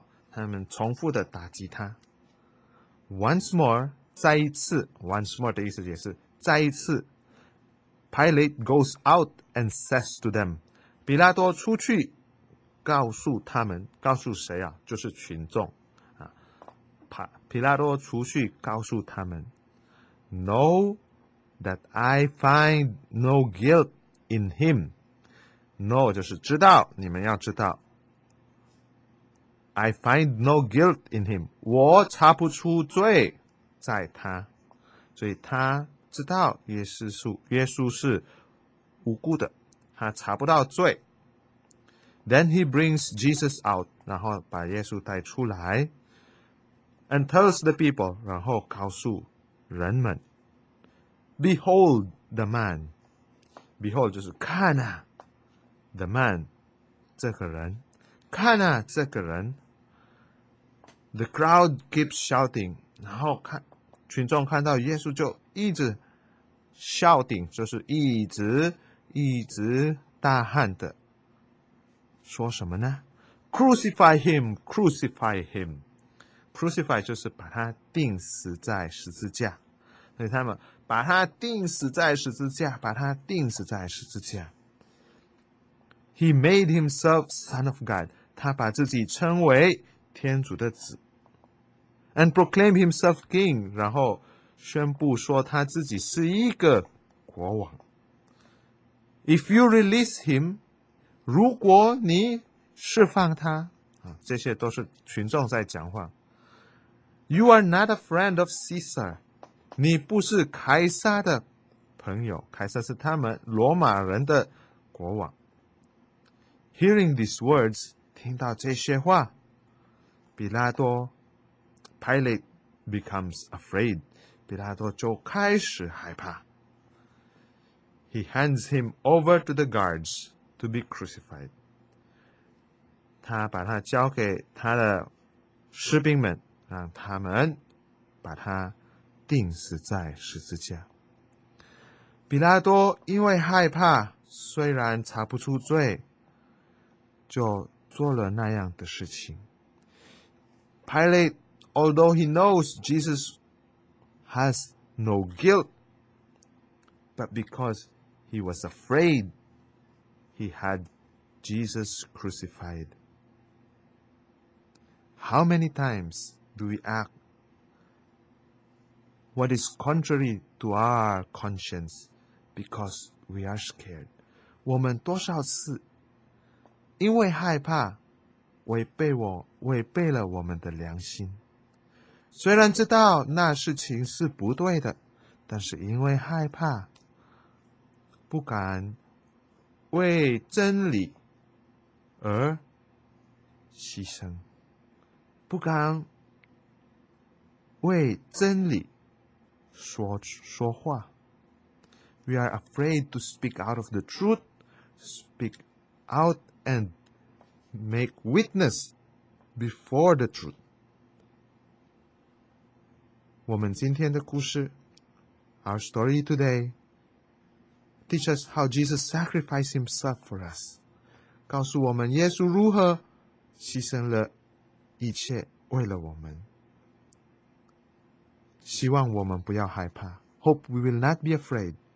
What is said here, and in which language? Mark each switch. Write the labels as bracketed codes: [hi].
[zh] 他们重复的打击他。 [en] Once more, [zh] 再一次 , [en] once more [zh] 的意思也是再一次。 [en] Pilate goes out and says to them, [zh] 比拉多出去告诉他们，告诉谁啊，就是群众。比拉多出去告诉他们 [en] ,know that I find no guilt in him. [zh] Know 就是知道，你们要知道。 [en] I find no guilt in him. [zh] 我查不出罪在他。所以他知道耶稣是无辜的。他查不到罪。 [en] Then he brings Jesus out. [zh] 然后把耶稣带出来。 [en] And tells the people. [zh] 然后告诉人们。 [en] Behold the man. [zh] Behold 就是看啊。 [en] The man. [zh] 这个人。看啊这个人。 [en] The crowd keeps shouting, [zh] 然后看群众看到耶稣就一直 shouting, 就是一直大喊的说什么呢 ? [en] Crucify him, crucify him. [zh] Crucify 就是把他钉死在十字架。所以他们把他钉死在十字架，把他钉死在十字架。 [en] He made himself son of God, [zh] 他把自己称为天主的子。 [en] And proclaim himself king, [zh] 然后宣布说他自己是一个国王。 [en] If you release him, [zh] 如果你释放他，这些都是群众在讲话。 [en] You are not a friend of Caesar, [zh] 你不是凯撒的朋友，凯撒是他们罗马人的国王。 [en] Hearing these words, [zh] 听到这些话，比拉多 [en] Pilate becomes afraid. [zh] 比拉多就开始害怕。 [en] He hands him over to the guards to be crucified. [zh] 他把他交给他的士兵们，让他们把他钉死在十字架。比拉多因为害怕，虽然查不出罪，就做了那样的事情。 [en] Pilate, although he knows Jesus has no guilt, but because he was afraid, he had Jesus crucified. How many times do we act what is contrary to our conscience because we are scared? [zh] 我们多少次因为害怕违背了我们的良心。虽然知道那事情是不对的，但是因为害怕，不敢为真理而牺牲，不敢为真理说话。 [en] We are afraid to speak out of the truth, speak out and make witness before the truth. [zh] 我们今天的故事 [en] Our story today teach us how Jesus sacrificed himself for us [zh] 告诉我们耶稣如何牺牲了一切为了我们希望我们不要害怕 [en] Hope we will not be afraid